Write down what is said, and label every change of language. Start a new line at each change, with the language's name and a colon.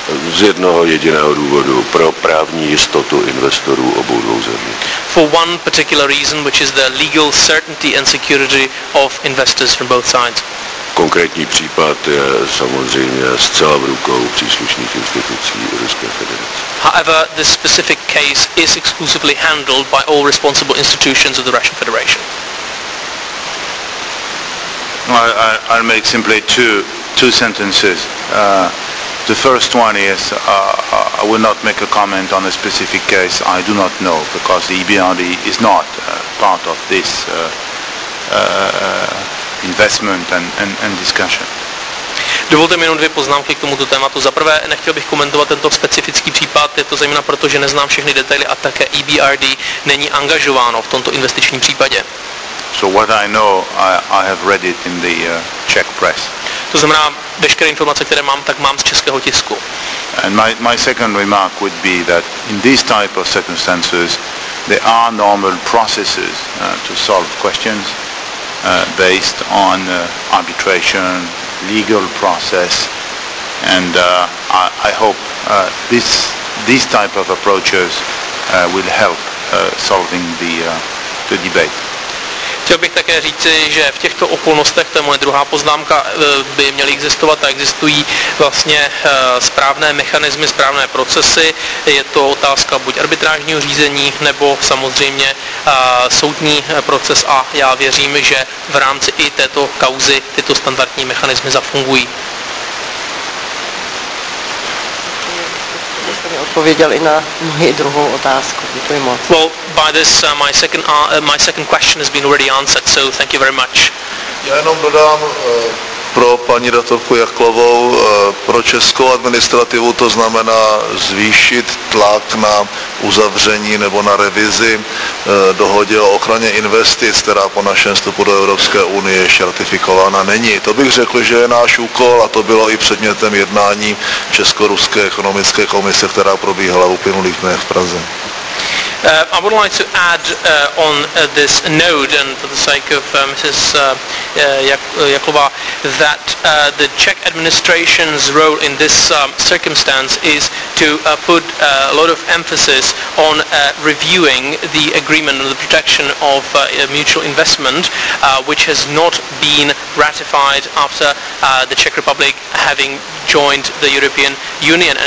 Czech: Z jednoho jediného důvodu, pro právní jistotu investorů obou dvou zemí.
English: For one particular reason, which is the legal certainty and security of investors from both sides.
Czech: Konkrétní případ je samozřejmě zcela v rukou příslušných institucí Ruské federace.
English: However, this specific case is exclusively handled by all responsible institutions of the Russian Federation. I'll make simply two sentences. The first one is, I will not make a comment on a specific case. I do not know, because the EBRD is not part of this investment and discussion.
Czech: Dovolte mi jenom dvě poznámky k tomuto tématu. Za prvé, nechtěl bych komentovat tento specifický případ, je to zejména proto, že neznám všechny detaily, a také EBRD není angažováno v tomto investičním případě.
English: So what I know, I have read it in the Czech press.
Czech: To znamená, veškeré informace, které mám, tak mám z českého tisku.
English: And my second remark would be that in these type of circumstances there are normal processes to solve questions. Based on arbitration, legal process, and I hope these type of approaches will help solving the debate.
Czech: Chtěl bych také říci, že v těchto okolnostech, to je moje druhá poznámka, by měly existovat a existují vlastně správné mechanismy, správné procesy. Je to otázka buď arbitrážního řízení, nebo samozřejmě soudní proces, a já věřím, že v rámci i této kauzy tyto standardní mechanismy zafungují. Odpověděl i na moji druhou otázku. Děkuji moc.
English: Well, by this my second question has been already answered, so thank you very much.
Czech: Já jenom dodám pro paní doktorku Jaklovou, pro českou administrativu to znamená zvýšit tlak na uzavření nebo na revizi dohodě o ochraně investic, která po našem vstupu do Evropské unie ještě ratifikována není. To bych řekl, že je náš úkol, a to bylo i předmětem jednání Česko-ruské ekonomické komise, která probíhala v uplynulých dnech v Praze.
English: I would like to add on this note, and for the sake of Mrs. Jaklova, that the Czech administration's role in this circumstance is to put a lot of emphasis on reviewing the agreement on the protection of mutual investment, which has not been ratified after the Czech Republic having joined the European Union.